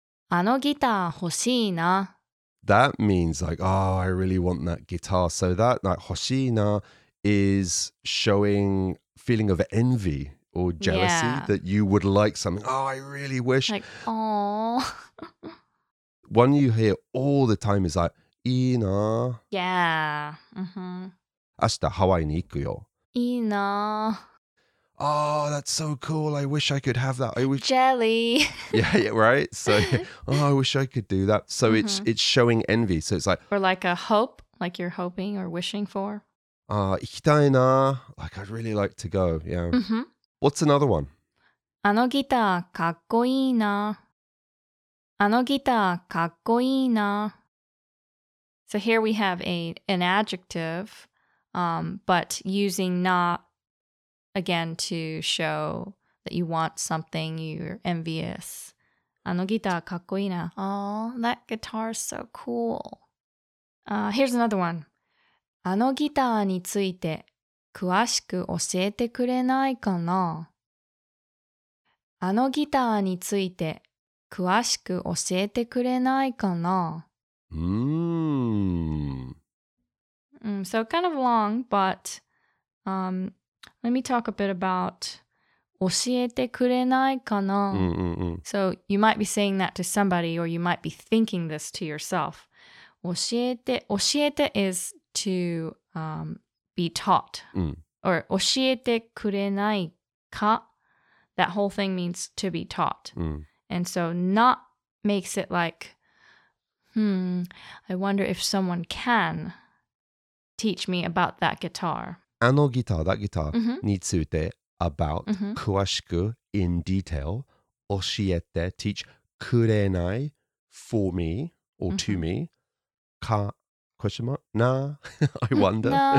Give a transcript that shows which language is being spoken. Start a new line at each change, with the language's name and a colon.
Japanese: あのギター欲しいな。あのギター欲しいな。
English: That means like, oh, I really want that guitar. So that, like,
Japanese: 欲しいな
English: is showing feeling of envy or jealousy that you would like something. Oh, I really wish. Like, aww. One you hear all the time is like,
Japanese: いいな.
English: Yeah. Mm-hmm.
Japanese: 明日ハワイに行くよ. いいな.
English: Oh, that's so cool. I wish I could have that. I wish jelly. yeah, right? So, oh, I wish I could do that. So it's showing envy. So it's like, or like a hope, like you're hoping or wishing for.
Japanese: 行きたいな.
English: Like, I'd really like to go. Yeah. Mm-hmm. What's another one?
Japanese: あのギターかっこいいな.あのギターかっこいいな.
English: So here we have an adjective, but using na again to show that you want something, you're envious.
Japanese: あのギターかっこいいな.
English: Oh, that guitar is so cool. Here's another one.
Japanese: あのギターについて詳しく教えてくれないかな。あのギターについて詳しく教えてくれないかな。
English: So kind of long, but let me talk a bit about
Japanese: 教えてくれないかな.
English: So you might be saying that to somebody, or you might be thinking this to yourself. 教えて is to be taught.
Japanese: Or 教えてくれないか?
English: That whole thing means to be taught. And so not makes it like, I wonder if someone can teach me about that guitar.
Japanese: あのギター、
English: that guitar
Japanese: について
English: about
Japanese: 詳しく
English: in detail
Japanese: 教えて
English: teach
Japanese: くれない
English: for me or to me か question mark na I wonder